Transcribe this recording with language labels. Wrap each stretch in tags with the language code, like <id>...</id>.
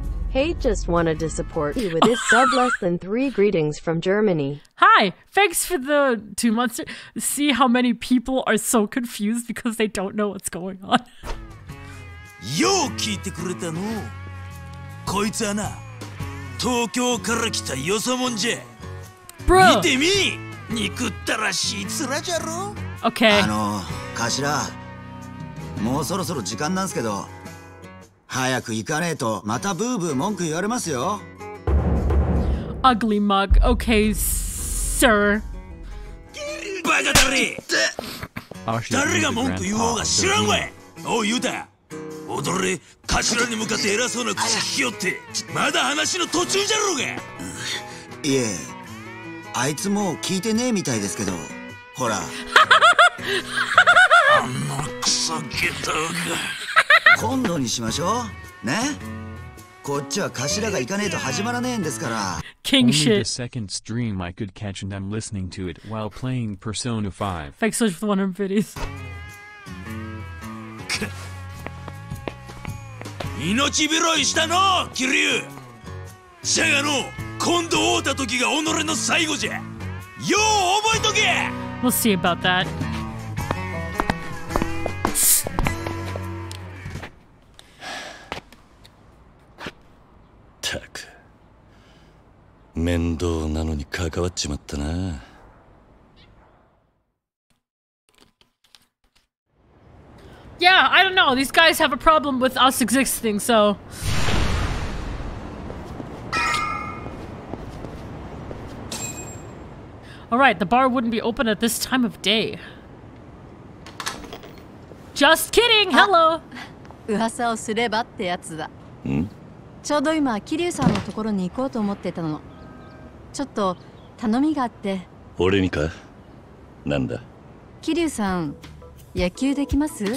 <en>Hey, just wanted to support you with this sub less than 3 greetings from Germany. Hi, thanks for the 2 months. See how many people are so confused because they don't know what's going on.</en> <ja>よう聞いてくれたの。こいつはな、東京から来たよそもんじゃ。</ja> <en>Bro.</en> <ja>見てみ、憎ったらしい面じゃろ。</ja> <en>Okay.</en> <ja>あの、頭、もうそろそろ時間なんすけど。早く行かねえとまたブーブー文句言われますよ。</ja> <en>Ugly mug. Okay, sir.</en> <ja>バカだれ。誰が文句言おうが知らんわ。おい、ユタ。踊れ、頭に向かって偉そうな口引き寄って。まだ話の途中じゃろうが。いえ、あいつもう聞いてねえみたいですけど。ほら。あんなクソゲタウが。今度にしましょうね。こっちは頭が行かねえと始まらねえんですから。</ja> <en>King shit. Only the second stream I could catch and I'm listening to it while playing Persona 5. Thanks so much for the 100 videos.</en> <ja>命拾いしたの、キリュウ。じゃがの、今度会った時が己の最後じゃ。よう覚えとけ。</ja> <en>We'll see about that.</en> <ja>面倒なのに関わっちまったな。</ja> <en>Yeah, I don't know. These guys have a problem with us existing, so. Alright, the bar wouldn't be open at this time of day. Just kidding! Hello!</en> <ja>噂をすればってやつだ。ん？ちょうど今、キリュウさんのところに行こうと思ってたの。ちょっと、頼みがあって。俺にか？なんだ？キリュウさん、野球できます？</ja>